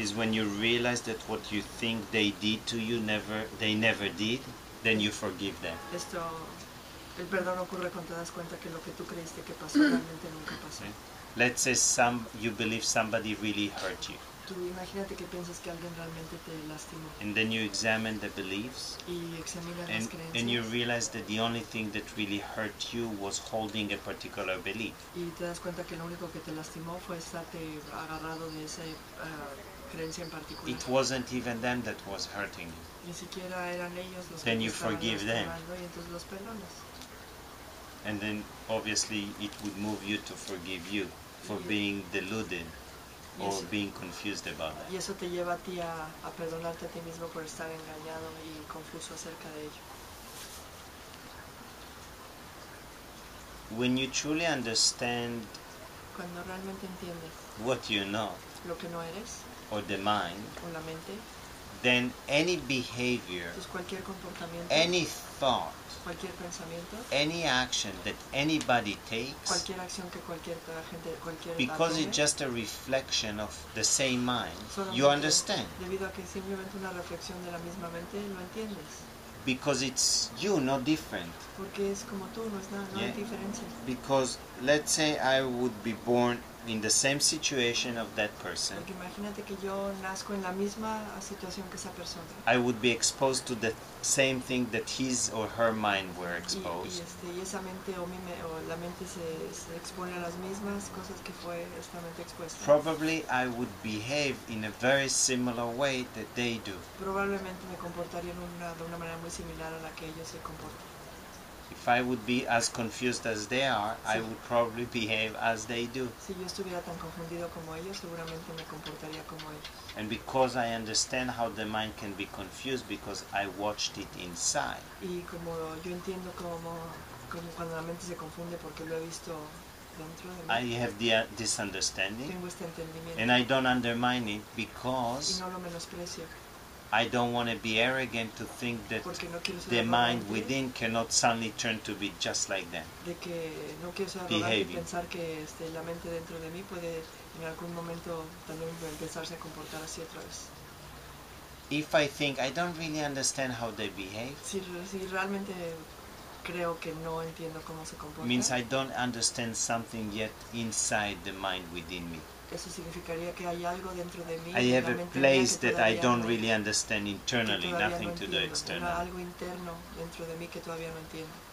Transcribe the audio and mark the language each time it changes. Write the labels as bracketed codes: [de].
[en] is when you realize that what you think they did to you they never did. Then you forgive them. [es] Esto, el perdón ocurre cuando te das cuenta que lo que tú creíste que pasó realmente nunca pasó. [en] Okay. Let's say you believe somebody really hurt you. [es] Tú imagínate que piensas que alguien realmente te lastimó. [en] And then you examine the beliefs. [es] Y examinas las creencias. [en] And you realize that the only thing that really hurt you was holding a particular belief. [es] Y te das cuenta que lo único que te lastimó fue estarte agarrado de esa creencia en particular. [en] It wasn't even them that was hurting you. [es] Ni siquiera eran ellos los [en] then [es] que [en] you forgive them. [es] Y entonces los perdonas. [en] And then obviously it would move you to forgive you for being deluded or being confused about it. [es] Y eso te lleva a ti a perdonarte a ti mismo por estar engañado y confuso acerca de ello. [en] When you truly understand [es] cuando realmente entiendes [en] what you know, [es] lo que no eres, [en] or the mind, [es] o la mente, [en] then any behavior, [es] pues cualquier comportamiento, [en] any thought, [es] cualquier pensamiento, [en] any action that anybody takes, [es] cualquier acción que cualquier gente, cualquier [en] because it's just a reflection of the same mind, you understand. [es] Debido a que simplemente una reflexión de la misma mente, lo entiendes. [en] Because it's you, not different. [es] Porque es como tú, no es nada, no hay diferencia. [en] Because let's say I would be born in the same situation of that person. [es] Porque imagínate que yo nazco en la misma situación que esa persona. [en] I would be exposed to the same thing that his or her mind were exposed. [es] Y esa mente o la mente se expone a las mismas cosas que fue esta mente expuesta. [en] Probably I would behave in a very similar way that they do. [es] Probablemente me comportaría de una manera muy similar a la que ellos se comportan. [en] If I would be as confused as they are, sí. I would probably behave as they do. [es] Si yo estuviera tan confundido como ellos, seguramente me comportaría como ellos. [en] And because I understand how the mind can be confused, because I watched it inside. [es] Y como yo entiendo como cuando la mente se confunde porque lo he visto dentro de mí. [en] I have this understanding. [es] Tengo este entendimiento. [en] And I don't undermine it because. [es] Y no lo menosprecio. [en] I don't want to be arrogant to think that the mind within cannot suddenly turn to be just like them. [es] De que no quiero ser arrogante y pensar que la mente dentro de mí puede en algún momento también empezarse a comportar así otra vez. [en] If I think I don't really understand how they behave, [es] si realmente creo que no entiendo cómo se comportan, [en] means I don't understand something yet inside the mind within me. [es] Eso significaría que hay algo dentro de mí. [en] I have a place that I don't really understand internally, nothing to the external. [es] Hay algo interno dentro de mí que todavía no entiendo.